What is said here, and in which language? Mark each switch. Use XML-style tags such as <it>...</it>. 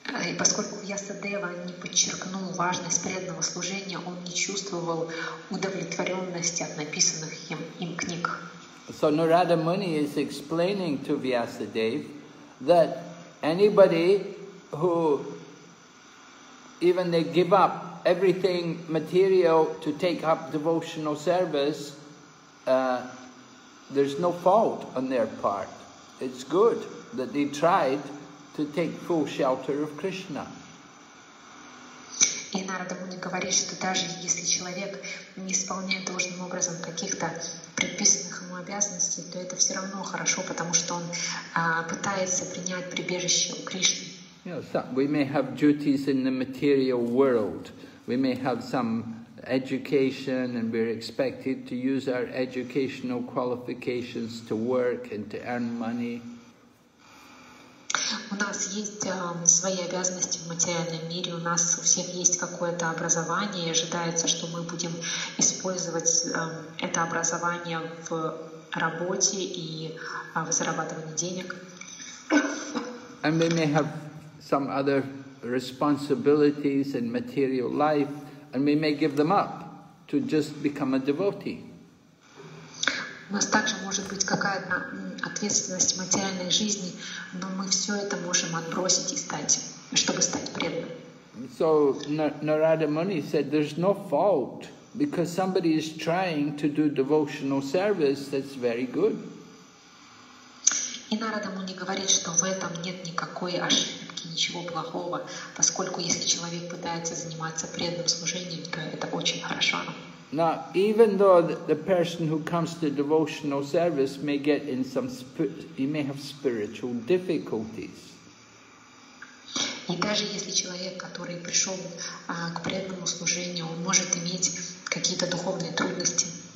<ru>И поскольку Вьясадева не подчеркнул важность преданного служения, он не чувствовал удовлетворенности от написанных им книг.</ru> <en>So Narada Muni is explaining to Vyasadeva that anybody who even they give up everything material to take up devotional service, there's no fault on their part. It's good that they tried to take full shelter of Krishna.</en> <ru>И Нарада Муни говорит, что даже если человек не исполняет должным образом каких-то предписанных ему обязанностей, то это все равно хорошо, потому что он пытается принять прибежище у Кришны.</ru> <en>You know, we may have duties in the material world. We may have some education, and we're expected to use our educational qualifications to work and to earn money.</en> <ru>У нас есть свои обязанности в материальном мире, у нас у всех есть какое-то образование, и ожидается, что мы будем использовать это образование в работе и в зарабатывании денег.</ru> <en>And we may have some other responsibilities in material life, and we may give them up to just become a devotee.</en> <ru>У нас также может быть какая-то ответственность в материальной жизни, но мы все это можем отбросить и стать, чтобы стать преданным.</ru> <en>So Narada Muni said, there's no fault, because somebody is trying to do devotional service, that's very good.</en> <ru>И Нарада Муни говорит, что в этом нет никакой ошибки, ничего плохого, поскольку если человек пытается заниматься преданным служением, то это очень хорошо.</ru> <en>Now, even though the person who comes to devotional service may get in some, he may have spiritual difficulties.</en> <ru>И даже если человек, который пришел к преданному служению, он может иметь какие-то духовные трудности.</ru>